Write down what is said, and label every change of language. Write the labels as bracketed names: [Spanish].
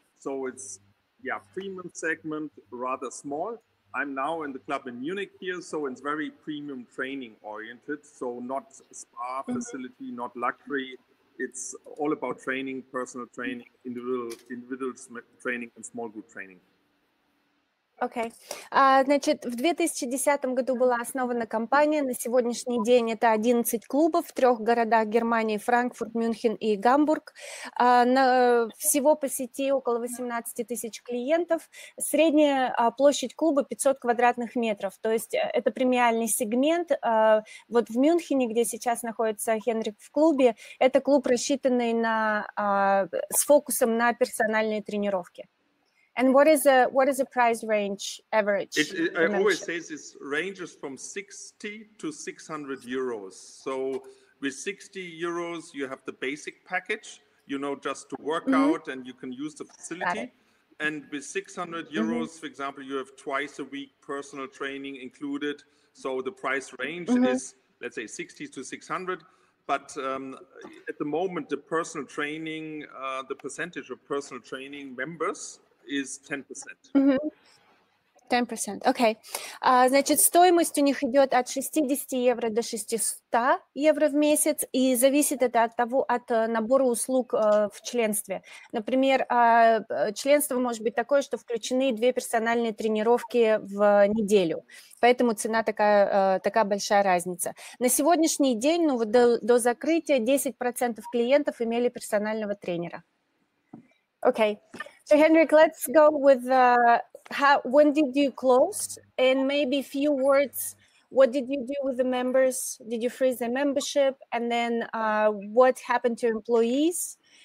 [English] So it's, yeah, premium segment, rather small. I'm now in the club in Munich here, so it's very premium training oriented. So not spa facility, not luxury. It's all about training, personal training, individual training and small group training. [Russian] Окей. Значит, в 2010 году была основана компания. На сегодняшний день это 11 клубов в трех городах Германии: Франкфурт, Мюнхен и Гамбург. Всего по сети около 18 тысяч клиентов. Средняя площадь клуба 500 квадратных метров. То есть это премиальный сегмент. Вот в Мюнхене, где сейчас находится Хенрик в клубе, это клуб, рассчитанный на с фокусом на персональные тренировки. [English] And what is the price range average? I always say this ranges from 60 to 600 euros. So with 60 euros, you have the basic package, you know, just to work out, and you can use the facility. And with 600 euros, for example, you have twice a week personal training included. So the price range is, let's say, 60 to 600. But at the moment, the personal training, the percentage of personal training members is 10%. [Russian] 10%, окей. Значит, стоимость у них идет от 60 евро до 600 евро в месяц, и зависит это от набора услуг в членстве. Например, членство может быть такое, что включены две персональные тренировки в неделю, поэтому цена такая большая разница. На сегодняшний день, ну, до закрытия, 10% клиентов имели персонального тренера. [English] Okay, so Hendrik, let's go with when did you close, and maybe a few words, what did you do with the members, did you freeze the membership, and then what happened to employees?